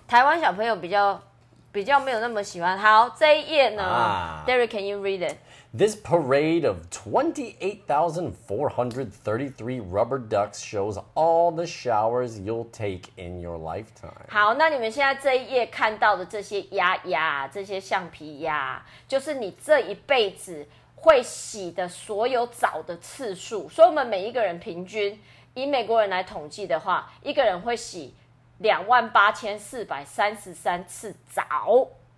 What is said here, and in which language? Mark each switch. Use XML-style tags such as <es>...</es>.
<zh>台湾小朋友比较没有那么喜欢。好，这一页呢、</zh> <en>Derek, can you read it? This parade of 28,433 rubber ducks shows all the showers you'll take in your lifetime.</en> <zh>好，那你们现在这一页看到的这些鸭鸭，这些橡皮鸭，就是你这一辈子会洗的所有澡的次数。所以我们每一个人平均，以美国人来统计的话，一个人会洗28,433次澡。</zh>